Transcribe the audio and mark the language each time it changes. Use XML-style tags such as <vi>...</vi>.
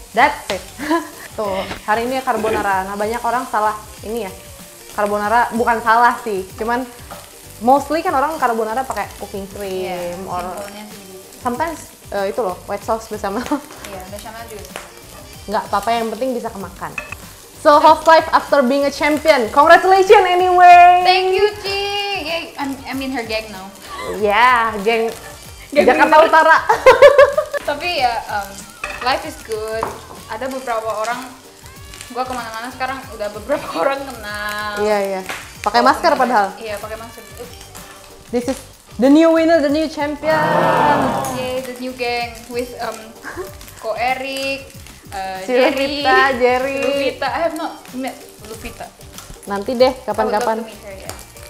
<en>That's it.</en> <id>Tuh hari ini carbonara. Nah banyak orang salah ini ya carbonara, bukan salah sih, cuman mostly kan orang carbonara pakai cooking cream</id> <en>or</en> <id>sometimes itu loh</id> <en>white sauce</en> <id>bersama. Iya, bechamel juga. Nggak apa-apa, yang penting bisa kemakan.</id> <en>So, house life after being a champion. Congratulations anyway! Thank you, Ci! I'm in her gang now. Yeah, gang Jakarta Utara.</en> <id>Tapi ya,</id> <en>life is good.</en> <id>Ada beberapa orang, gua kemana-mana sekarang udah beberapa orang kenal. Iya. Pakai masker padahal. Iya, pakai masker.</id> <en>This is the new winner, the new champion. Yay, the new gang with Ko Eric. Lupita. I have not met Lupita.</en> <id>Nanti deh, kapan-kapan.</id> <en>I would love to meet her, yeah.</en>